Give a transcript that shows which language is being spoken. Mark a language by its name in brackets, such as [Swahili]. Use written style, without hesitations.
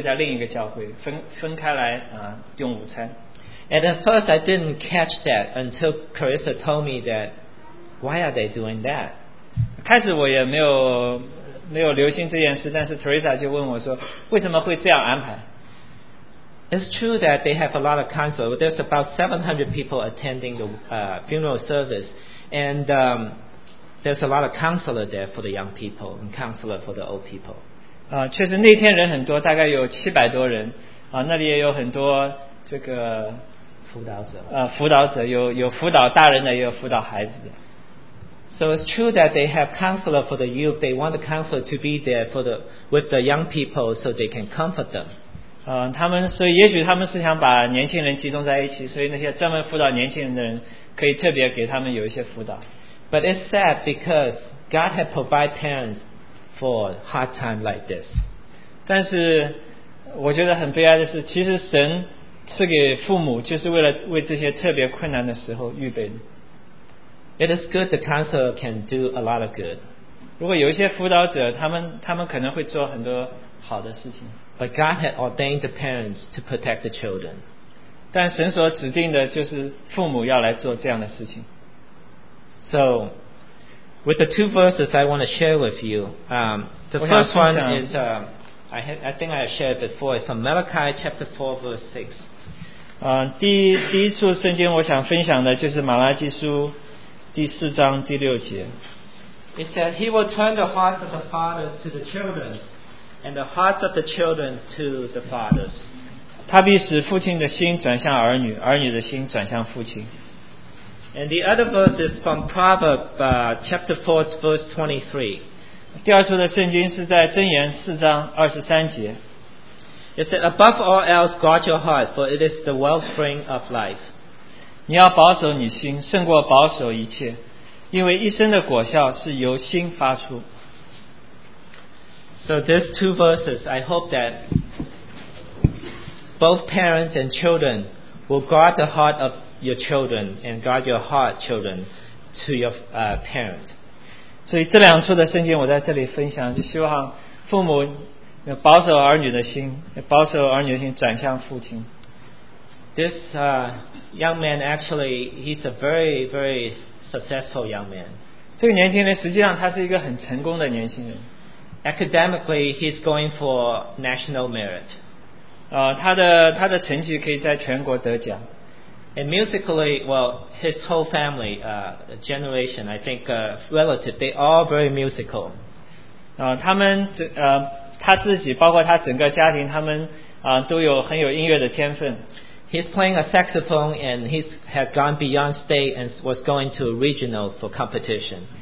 [Chinese] 上礼拜结束我们就会有一个简单的午餐，因为地方不够大，所以大人会在一个教会，然后孩子会在另一个教会，分开来用午餐。 [English] And at first I didn't catch that until Carissa told me that why are they doing that? [Chinese] 开始我也没有留心这件事，但是Teresa就问我说，为什么会这样安排？ [English] It's true that they have a lot of council. There's about 700 people attending the funeral service, and there's a lot of counselor there for the young people and counselor for the old people. [Chinese] 确实那天人很多，大概有700多人啊，那里也有很多这个辅导者，辅导者有辅导大人的，也有辅导孩子的。 [English] So it's true that they have counselor for the youth. They want the counselor to be there for the with the young people so they can comfort them. [Chinese] 他们所以也许他们是想把年轻人集中在一起，所以那些专门辅导年轻人的人可以特别给他们有一些辅导。 [English] But it's sad because God had provided parents for hard time like this. [Chinese] 但是我觉得很悲哀的是，其实神赐给父母就是为了为这些特别困难的时候预备的。 [English] It is good the counselor can do a lot of good. [Chinese] 如果有一些辅导者，他们可能会做很多好的事情。 [English] But God had ordained the parents to protect the children. [Chinese] 但神所指定的就是父母要来做这样的事情。 [English] So, with the two verses I want to share with you, the first one is, I think I shared before, it's from Malachi chapter 4 verse 6. [Chinese] 第一处圣经我想分享的就是马拉基书第四章第六节。 [English] It says, He will turn the hearts of the fathers to the children, and the hearts of the children to the fathers. [Chinese] 他必使父亲的心转向儿女，儿女的心转向父亲。 [English] And the other verse is from Proverbs chapter 4 verse 23. [Chinese] 第二处的圣经是在箴言四章二十三节。 [English] It said, Above all else, guard your heart, for it is the wellspring of life. [Chinese] 你要保守你心，胜过保守一切，因为一生的果效是由心发出。 [English] So these two verses, I hope that both parents and children will guard the heart of your children and guard your heart children to your parent. [Chinese] 所以这两处的圣经我在这里分享，就希望父母保守儿女的心，保守儿女的心转向父亲。 [English] This young man actually he's a very very successful young man. [Chinese] 这个年轻人实际上他是一个很成功的年轻人。 [English] Academically he's going for national merit. [Chinese] 他的成绩可以在全国得奖。 [English] And musically, well, his whole family, generation, I think, relative, they all very musical. [Chinese] 他自己包括他整个家庭，他们都有很有音乐的天分。 [English] He's playing a saxophone, and he has gone beyond state and was going to regional for competition.